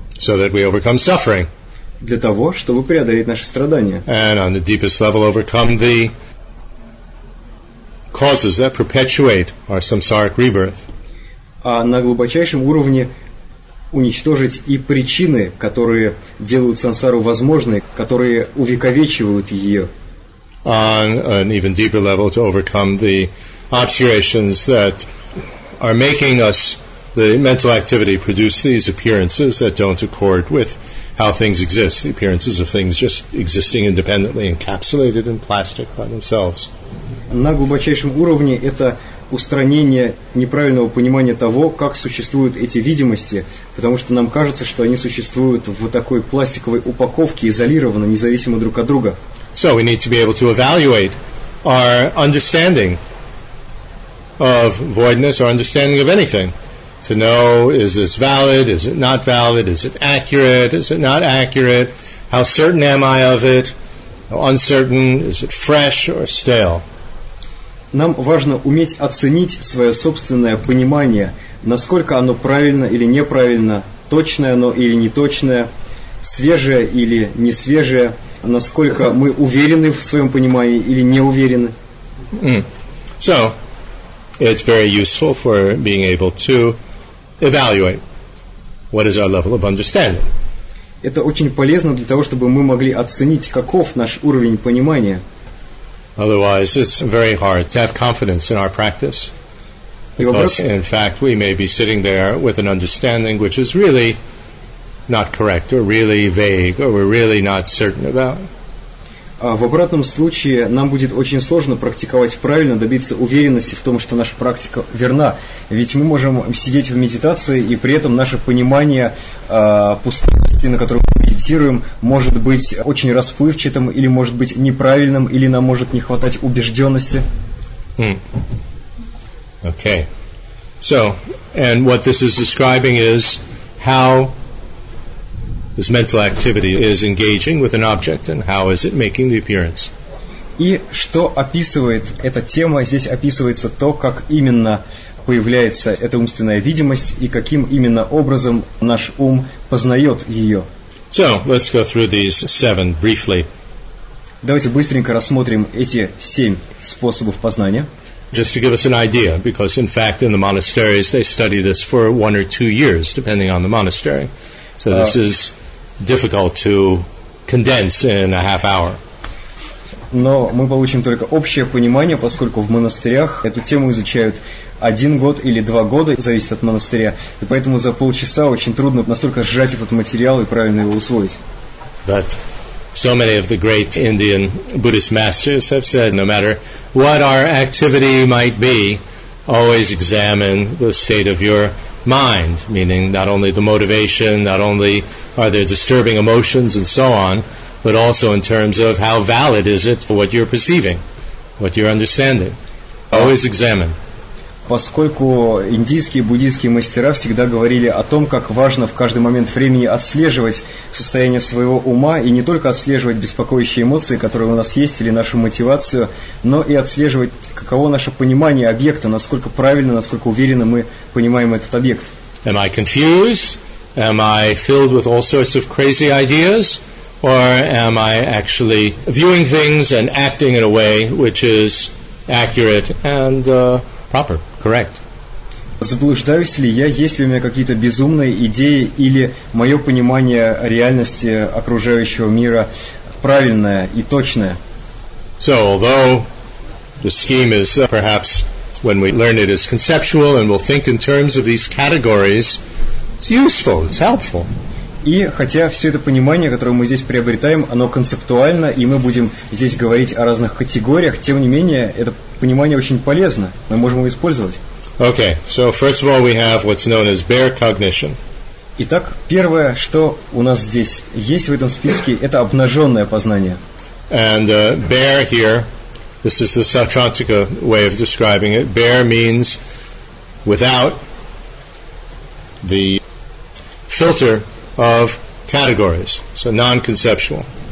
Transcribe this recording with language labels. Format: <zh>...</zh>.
<en>So that we overcome suffering.</en> <ru>Для того, чтобы преодолеть наши страдания.</ru> <en>And on the deepest level overcome the causes that perpetuate our samsaric rebirth.</en> <ru>А на глубочайшем уровне уничтожить и причины, которые делают сансару возможной, которые увековечивают ее.</ru> <en>On an even deeper level to overcome the obscurations that are making us, the mental activity, produce these appearances that don't accord with how things exist, the appearances of things just existing independently, encapsulated in plastic by themselves.</en> <ru>На глубочайшем уровне это устранение неправильного понимания того, как существуют эти видимости, потому что нам кажется, что они существуют в такой пластиковой упаковке, изолированно, независимо друг от друга.</ru> <en>So we need to be able to evaluate our understanding of voidness or understanding of anything. To know, is this valid, is it not valid, is it not accurate, how certain am I of it, how uncertain, is it fresh or stale?</en> <ru>Нам важно уметь оценить свое собственное понимание, насколько оно правильно или неправильно, точное оно или неточное, свежее или несвежее, насколько мы уверены в своем понимании или не уверены.</ru> <en>So, it's very useful for being able to evaluate what is our level of understanding.</en> <ru>Это очень полезно для того, чтобы мы могли оценить, каков наш уровень понимания.</ru> <en>Otherwise, it's very hard to have confidence in our practice. Because, in fact, we may be sitting there with an understanding which is really not correct, or really vague, or we're really not certain about.</en> <ru>В обратном случае нам будет очень сложно практиковать правильно, добиться уверенности в том, что наша практика верна. Ведь мы можем сидеть в медитации, и при этом наше понимание пустотности, на которую мы медитируем, может быть очень расплывчатым, или может быть неправильным, или нам может не хватать убежденности.</ru> <en>Okay. So, and what this is describing is how this mental activity is engaging with an object, and how is it making the appearance?</en> <ru>И что описывает эта тема? Здесь описывается то, как именно появляется эта умственная видимость и каким именно образом наш ум познает ее.</ru> <en>So let's go through these seven briefly.</en> <ru>Давайте быстренько рассмотрим эти семь способов познания.</ru> <en>Just to give us an idea, because in fact in the monasteries they study this for one or two years, depending on the monastery. So this is difficult to condense in a half hour.</en> <ru>Но мы получим только общее понимание, поскольку в монастырях эту тему изучают один год или два года, зависит от монастыря, и поэтому за полчаса очень трудно настолько сжать этот материал и правильно его усвоить.</ru> <en>But so many of the great Indian Buddhist masters have said, no matter what our activity might be, always examine the state of your mind, meaning not only the motivation, not only are there disturbing emotions and so on, but also in terms of how valid is it what you're perceiving, what you're understanding. Always examine.</en> <ru>Поскольку индийские буддийские мастера всегда говорили о том, как важно в каждый момент времени отслеживать состояние своего ума и не только отслеживать беспокоящие эмоции, которые у нас есть, или нашу мотивацию, но и отслеживать, каково наше понимание объекта, насколько правильно, насколько уверенно мы понимаем этот объект.</ru> <en>Am I confused? Am I filled with all sorts of crazy ideas? Or am I actually viewing things and acting in a way which is accurate and proper, correct.</en> <ru>Заблуждаюсь ли я, есть ли у меня какие-то безумные идеи или мое понимание реальности окружающего мира правильное и точное?</ru> <en>So, although the scheme is perhaps when we learn it is conceptual and we'll think in terms of these categories, it's useful, it's helpful.</en> <ru>И хотя все это понимание, которое мы здесь приобретаем, оно концептуально, и мы будем здесь говорить о разных категориях, тем не менее, это понимание очень полезно, мы можем его использовать.</ru> <en>Okay, so first of all we have what's known as bare cognition.</en> <ru>Итак, первое, что у нас здесь есть в этом списке, это обнаженное познание.</ru> <en>And bare here, this is the Satrantika way of describing it. Bare means without the filter of categories, so non-conceptual.</en>